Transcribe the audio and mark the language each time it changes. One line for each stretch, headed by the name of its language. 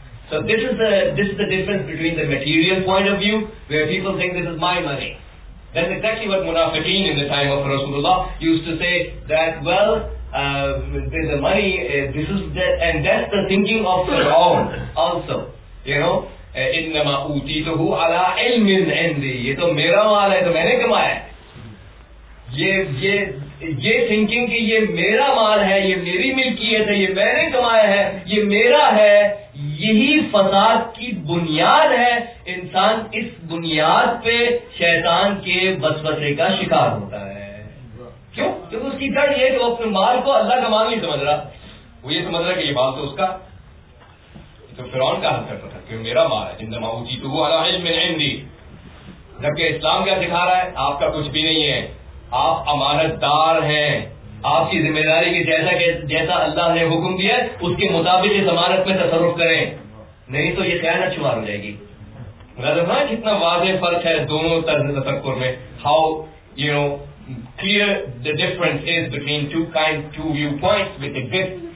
English: So this is the difference between the material point of view, where people think this is my money. That's exactly what munafiqeen in the time of Rasulullah used to say, that well, the money, this is the, and that's the thinking of Fir'aun also. You know,
Arabic: إِنَّمَا أُوْتِيْتُهُ عَلَىٰ عِلْمٍ عِنْدِي
Urdu: یہ تو میرا مال ہے تو میں نے کمایا ہے. یہ thinking کہ یہ میرا مال ہے, یہ میری ملکیت ہے, یہ میں نے کمایا ہے, یہ میرا ہے, یہی فساد کی بنیاد ہے. انسان اس بنیاد پہ شیطان کے وسوسے کا شکار ہوتا ہے. کیوں؟ کیونکہ اس کی جڑ یہ ہے کہ وہ اپنے مال کو اللہ کا مال نہیں سمجھ رہا. وہ یہ سمجھ رہا کہ یہ مال تو اس کا, تو فرعون کا حل کرتا تھا کہ میرا مال ہے.
Arabic: انما اوتیتہ علی علم عندی,
Urdu: جبکہ اسلام کیا دکھا رہا ہے, آپ کا کچھ بھی نہیں ہے, آپ امانت دار ہیں. آپ کی ذمہ داری کی جیسا اللہ نے حکم دیا ہے اس کے مطابق اس امانت میں تصرف کریں, نہیں تو یہ خیانت شمار ہو جائے گی. مطلب نا کتنا واضح فرق ہے دونوں طرح تفکر میں.
English: How you know clear the difference is between two viewpoints which exist.